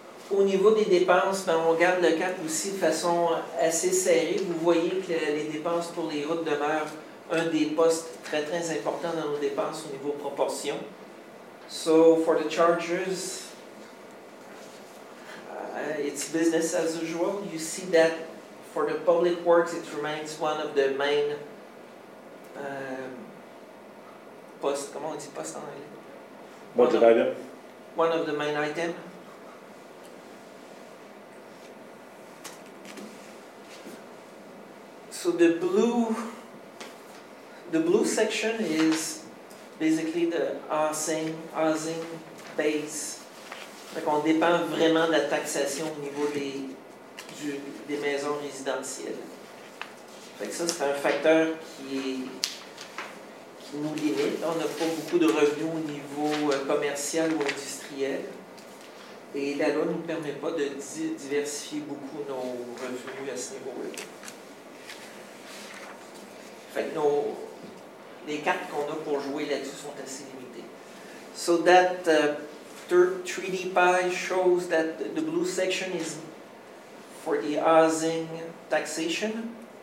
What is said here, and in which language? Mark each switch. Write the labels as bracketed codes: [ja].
[fr] OK. Au niveau des dépenses, ben, on garde le cap aussi de façon assez serrée. Vous voyez que les dépenses pour les routes demeurent un des postes très, très importants dans nos dépenses au niveau proportion. [en] So, for the charges, it's business as usual. You see that for the public works, it remains one of the main posts. [fr] Comment on dit post en anglais? [en] Budget item. One of the main items. So, the blue section is basically the housing base. [fr] Donc on dépend vraiment de la taxation au niveau des maisons résidentielles. Fait que ça, c'est un facteur qui nous limite. On n'a pas beaucoup de revenus au niveau commercial ou industriel. Et la loi ne nous permet pas de diversifier beaucoup nos revenus à ce niveau-là. Fait que les cartes qu'on a pour jouer là-dessus sont assez limitées. [en] So that third 3D pie shows that the blue section is for the housing taxation.